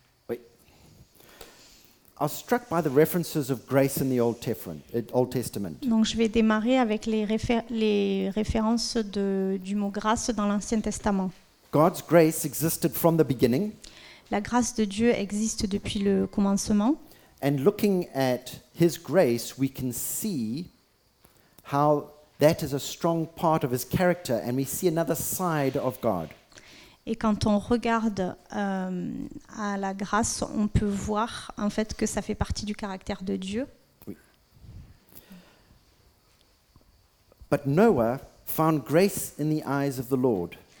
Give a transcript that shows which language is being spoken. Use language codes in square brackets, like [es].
[en] I was struck by the references of grace in the Old Testament. [fr] Donc je vais démarrer avec les références du mot grâce dans l'Ancien Testament. [en] God's grace existed from the beginning. [fr] La grâce de Dieu existe depuis le commencement. [en] And looking at his grace, we can see how that is a strong part of his character, and we see another side of God. [fr] Et quand on regarde à la grâce, on peut voir en fait que ça fait partie du caractère de Dieu. Oui. [en] But Noah found grace in the eyes of the Lord.